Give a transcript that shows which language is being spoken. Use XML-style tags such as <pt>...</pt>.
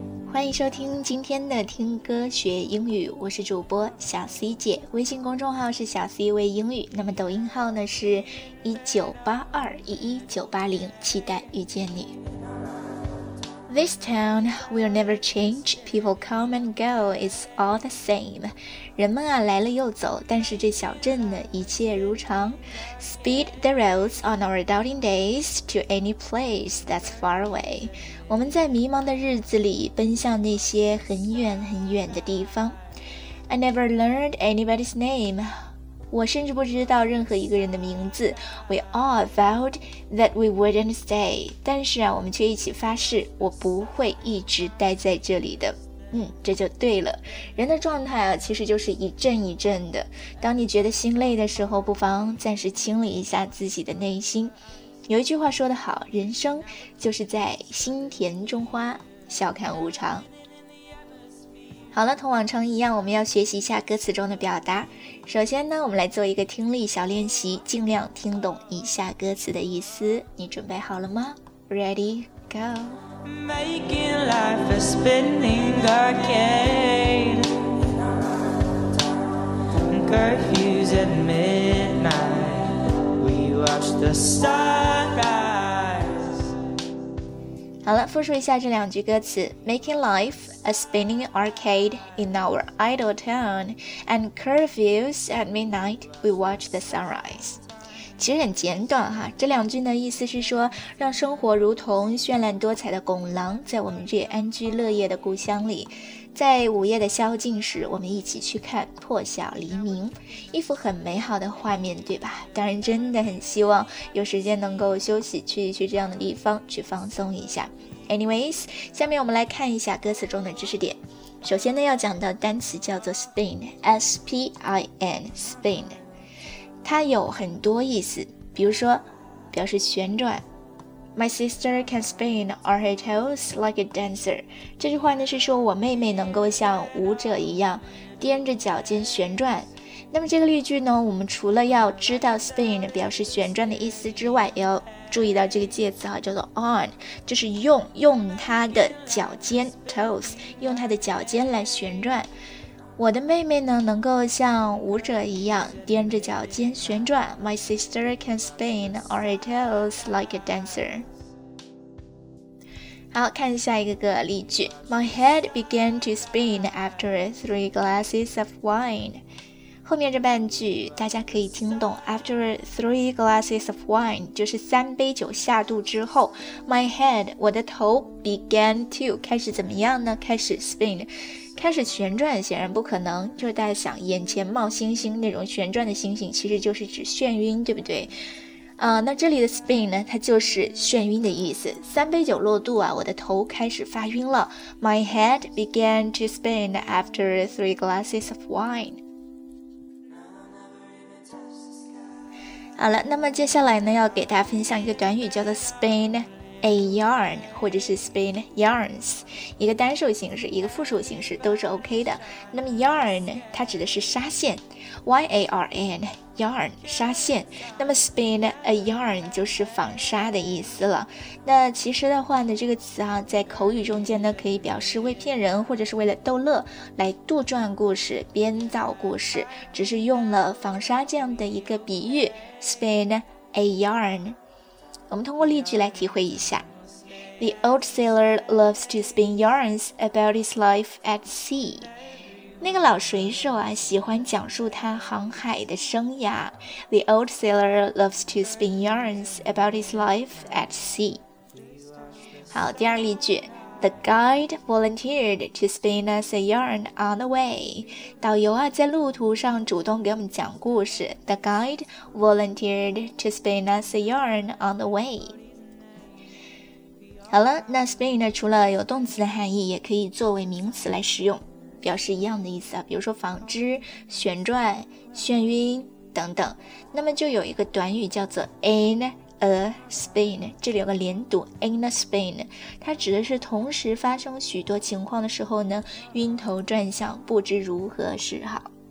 <zh>欢迎收听今天的听歌学英语，我是主播小 C 姐，微信公众号是小 C 为英语，那么抖音号呢是19821190，期待遇见你。</zh> <en>This town will never change. People come and go. It's all the same.</en> <zh>人们啊来了又走，但是这小镇呢一切如常。</zh> <en>Speed the roads on our doubting days to any place that's far away.</en> <zh>我们在迷茫的日子里奔向那些很远很远的地方。</zh> <en>I never learned anybody's name.</en> <zh>我甚至不知道任何一个人的名字。</zh> <en>We all vowed that we wouldn't stay.</en> <zh>但是啊，我们却一起发誓，我不会一直待在这里的。这就对了。人的状态啊，其实就是一阵一阵的。当你觉得心累的时候，不妨暂时清理一下自己的内心。有一句话说得好，人生就是在心田种花，笑看无常。好了，同往常一样，我们要学习一下歌词中的表达。首先呢，我们来做一个听力小练习，尽量听懂以下歌词的意思。你准备好了吗？</zh> <en>Ready, go. Making life a spinning arcade. Curfews at midnight. We watch the sunrise.</en> <zh>好了，复述一下这两句歌词。</zh> <en>Making lifeA spinning arcade in our idle town, and curfews at midnight, we watch the sunrise.</en> <zh>其实很简短哈，这两句的意思是说，让生活如同绚烂多彩的拱廊，在我们这安居乐业的故乡里，在午夜的宵禁时，我们一起去看破晓黎明，一幅很美好的画面，对吧？当然，真的很希望有时间能够休息，去这样的地方去放松一下。 Anyways, 下面我们来看一下歌词中的知识点。首先呢，要讲到单词叫做 spin, spin, 它有很多意思，比如说表示旋转。</zh> <en>My sister can spin on her toes like a dancer.</en> <zh>这句话呢是说我妹妹能够像舞者一样踮着脚尖旋转。那么这个例句呢，我们除了要知道 spin 表示旋转的意思之外，也要注意到这个介词叫做 on， 就是用他的脚尖 toes， 用他的脚尖来旋转。我的妹妹呢能够像舞者一样踮着脚尖旋转。</zh> <en>My sister can spin on her toes like a dancer。</en> <zh>好，看下一个例句。</zh> <en>My head began to spin after 3 glasses of wine。</en> <zh>后面这半句大家可以听懂，</zh> <en>After 3 glasses of wine，</en> <zh>就是三杯酒下肚之后，</zh> <en>My head，</en> <zh>我的头</zh> <en>began to，</en> <zh>开始怎么样呢？开始 spin， 开始旋转。显然不可能，就是大家想眼前冒星星那种旋转的星星，其实就是指眩晕，对不对？那这里的 spin 呢，它就是眩晕的意思。三杯酒落肚啊，我的头开始发晕了。</zh> <en>My head began to spin after 3 glasses of wine。</en> <zh>好了，那么接下来呢，要给大家分享一个短语，叫做 spin a yarn， 或者是 spin yarns， 一个单数形式，一个复数形式都是 OK 的。那么 yarn 它指的是纱线 ，yarn， yarn， 纱线。那么 spin a yarn 就是纺纱的意思了。那其实的话呢，这个词啊，在口语中间呢，可以表示为骗人或者是为了逗乐来杜撰故事、编造故事，只是用了纺纱这样的一个比喻 ，spin a yarn。我们通过例句来体会一下。</zh> <en>The old sailor loves to spin yarns about his life at sea.</en> <zh>那个老水手啊，喜欢讲述他航海的生涯。</zh> <en>The old sailor loves to spin yarns about his life at sea.</en> <zh>好，第二例句。</zh> <en>The guide volunteered to spin us a yarn on the way.</en> <zh>导游啊，在路途上主动给我们讲故事。</zh> <en>The guide volunteered to spin us a yarn on the way.</en> <zh>好了，那 spin 呢，除了有动词的含义，也可以作为名词来使用，表示一样的意思啊，比如说纺织、旋转、眩晕等等。那么就有一个短语叫做 in a spin， 这里有个连读 in a spin， 它指的是同时发生许多情况的时候呢，晕头转向，不知如何是好。</zh>